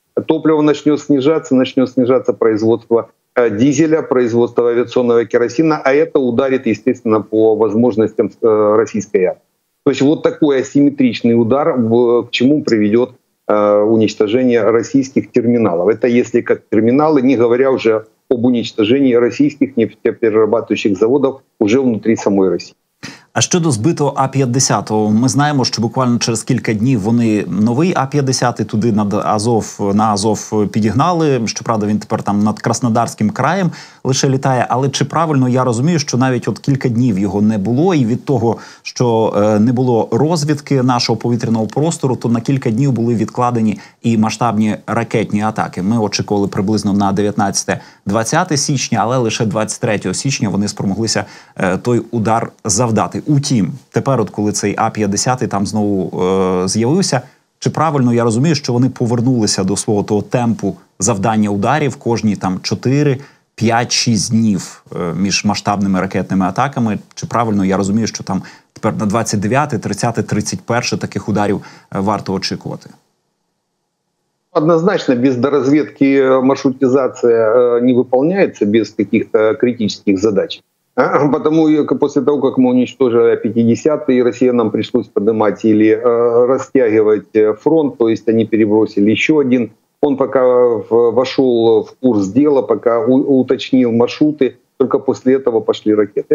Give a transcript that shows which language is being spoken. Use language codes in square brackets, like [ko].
[ru] Топливо начнет снижаться производство дизеля, производство авиационного керосина, а это ударит, естественно, по возможностям российской армии. То есть вот такой асимметричный удар, к чему приведет уничтожение российских терминалов. Это если как терминалы, не говоря уже об уничтожении российских нефтеперерабатывающих заводов уже внутри самой России. [uk] А щодо збитого А-50, ми знаємо, що буквально через кілька днів вони новий А-50 туди над Азов, на Азов підігнали. Щоправда, він тепер там над Краснодарським краєм лише літає. Але чи правильно я розумію, що навіть от кілька днів його не було, і від того, що не було розвідки нашого повітряного простору, то на кілька днів були відкладені і масштабні ракетні атаки. Ми очікували приблизно на 19-20 січня, але лише 23 січня вони спромоглися той удар завдати. Утім, тепер от коли цей А-50 там знову з'явився, чи правильно я розумію, що вони повернулися до свого того темпу завдання ударів кожні там 4-5-6 днів між масштабними ракетними атаками? Чи правильно я розумію, що там тепер на 29-30-31 таких ударів варто очікувати? [ru] Однозначно, без дорозвідки маршрутизація не виконується без каких-то критичних задач. Потому что после того, как мы уничтожили А-50, и Россия нам пришлось поднимать или растягивать фронт, то есть они перебросили еще один. Он пока вошел в курс дела, пока уточнил маршруты, только после этого пошли ракеты.